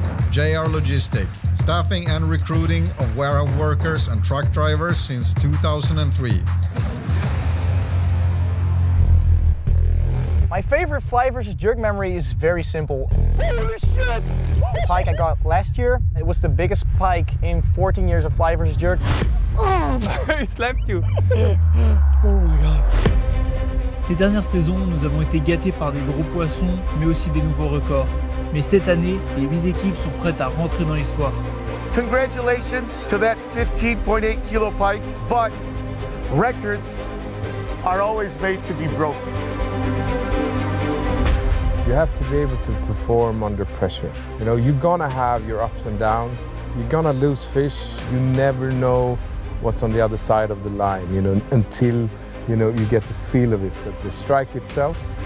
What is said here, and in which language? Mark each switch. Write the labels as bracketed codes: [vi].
[en] JR Logistic, staffing and recruiting of warehouse workers and truck drivers since 2003. My favorite Fly vs. Jerk memory is very simple. Holy shit! The pike I got last year, it was the biggest pike in 14 years of Fly vs. Jerk. Oh, he slapped you. Oh my god. [fr] Ces dernières saisons, nous avons été gâtés par des gros poissons, mais aussi des nouveaux records. Mais cette année, les 8 équipes sont prêtes à rentrer dans l'histoire. [en] Congratulations to that 15.8 kilo pike, but records are always made to be broken. You have to be able to perform under pressure. You know, you're gonna have your ups and downs. You're gonna lose fish. You never know what's on the other side of the line, you know, until you know, you get the feel of it, but the strike itself,